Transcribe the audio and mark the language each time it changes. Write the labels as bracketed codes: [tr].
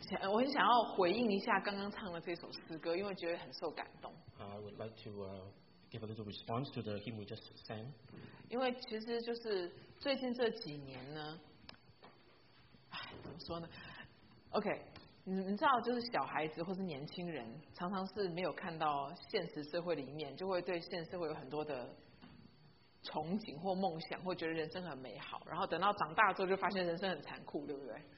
[zh] 我很想要回应一下刚刚唱的这首诗歌，因为觉得很受感动。 [en] I would like to give a little response to the hymn we just sang. [zh] 因为其实就是最近这几年呢，怎么说呢 ？OK， 你知道，就是小孩子或是年轻人，常常是没有看到现实社会里面，就会对现实社会有很多的憧憬或梦想，或觉得人生很美好，然后等到长大之后就发现人生很残酷，对不对？